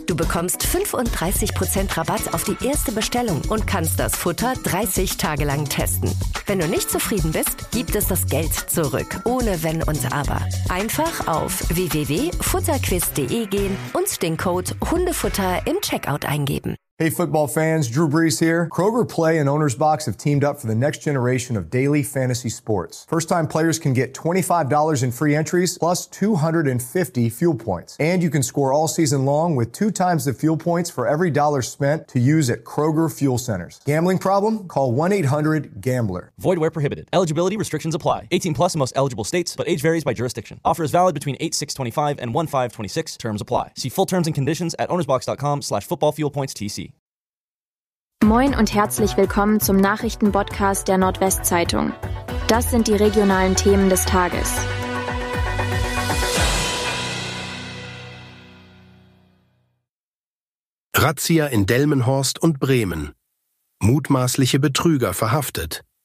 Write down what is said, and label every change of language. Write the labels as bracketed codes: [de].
[de] Du bekommst 35% Rabatt auf die erste Bestellung und kannst das Futter 30 Tage lang testen. Wenn du nicht zufrieden bist, gibt es das Geld zurück, ohne Wenn und Aber. Einfach auf www.futterquiz.de gehen und den Code Hundefutter im Checkout eingeben. [en] Hey, football fans, Drew Brees here. Kroger Play and Owner's Box have teamed up for the next generation of daily fantasy sports. First-time players can get $25 in free entries, plus 250 fuel points. And you can score all season long with 2x the fuel points for every dollar spent to use at Kroger Fuel Centers. Gambling problem? Call 1-800-GAMBLER. Void where prohibited. Eligibility restrictions apply. 18 plus in most eligible states, but age varies by jurisdiction. Offer is valid between 8/6/25 and 1/5/26. Terms apply. See full terms and conditions at ownersbox.com/footballfuelpointstc. [de] Moin und herzlich willkommen zum Nachrichtenpodcast der Nordwestzeitung. Das sind die regionalen Themen des Tages. Razzia in Delmenhorst und Bremen. Mutmaßliche Betrüger verhaftet.